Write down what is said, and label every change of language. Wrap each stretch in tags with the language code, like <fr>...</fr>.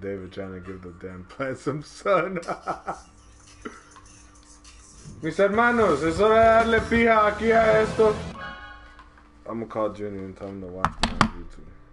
<en>Trying to give the damn plant some sun.</en> <es>Mis hermanos, es hora de darle pija aquí a esto.</es> <en>I'm gonna call Junior and tell him to watch me on YouTube.</en>